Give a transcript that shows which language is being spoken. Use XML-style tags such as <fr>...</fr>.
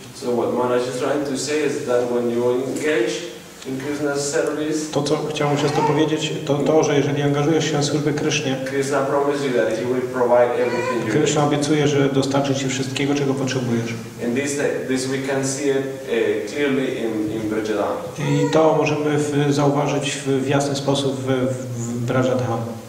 <en>So what Maharaj is trying to say is that when you engage in Krishna's service,</en> <pl>to co chciałbym często powiedzieć, to, że jeżeli angażujesz się w służbę Krysznie,</pl> <en>Krishna promises you that he will provide everything you Krishna need.</en> <pl>Obiecuje, że dostarczy ci wszystkiego, czego potrzebujesz.</pl> <en>And this we can see it clearly in Vrindavan.</en> <pl>I to możemy zauważyć w jasny sposób w Vrindavan.</pl>